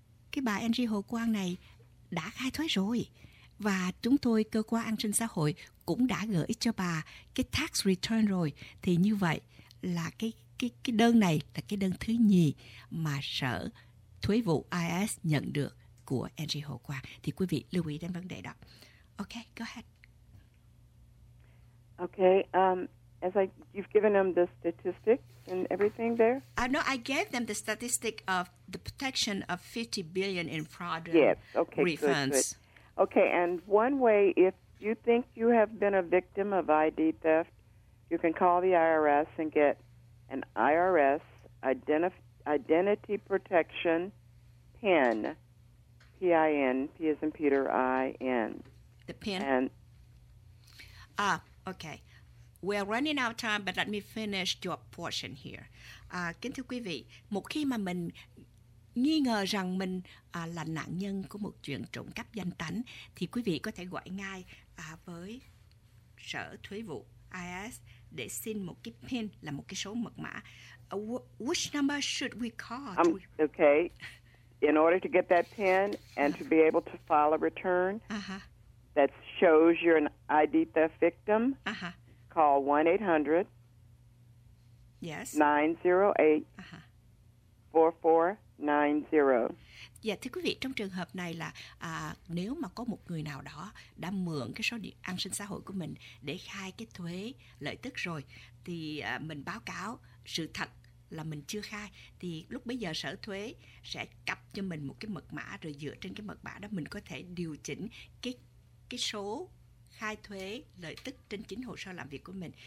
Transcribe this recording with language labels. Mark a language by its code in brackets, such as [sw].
[vi] cái bà Angie Hồ Quang này đã khai thuế rồi, và chúng tôi cơ quan an sinh xã hội cũng đã gửi cho bà cái tax return rồi, thì như vậy là cái đơn này là cái đơn thứ nhì mà sở thuế vụ IRS nhận được của Angie Hồ Quang. Thì quý vị lưu ý đến vấn đề đó. [en] Ok, go ahead. Ok, you've given them the statistics and everything there? No, I gave them the statistic of the protection of 50 billion in fraud refunds. Good. Ok, and one way, if you think you have been a victim of ID theft, you can call the IRS and get an IRS identity protection PIN, P-I-N, P as in Peter, I-N. The PIN? And okay. We're running out of time, but let me finish your portion here. [vi] Kính thưa quý vị, một khi mà mình nghi ngờ rằng mình là nạn nhân của một chuyện trộm cắp danh tánh, thì quý vị có thể gọi ngay với sở thuế vụ IRS để xin một cái PIN, là một cái số mật mã. [en] Which number should we call? Okay. In order to get that PIN and to be able to file a return that shows you're an ID theft victim, call 1-800-908-4490. [vi] Dạ, thưa quý vị, trong trường hợp này là nếu mà có một người nào đó đã mượn cái số an sinh xã hội của mình để khai cái thuế lợi tức rồi, thì mình báo cáo sự thật là mình chưa khai, thì lúc bấy giờ sở thuế sẽ cấp cho mình một cái mật mã, rồi dựa trên cái mật mã đó mình có thể điều chỉnh cái số khai thuế lợi tức trên chính hồ sơ làm việc của mình.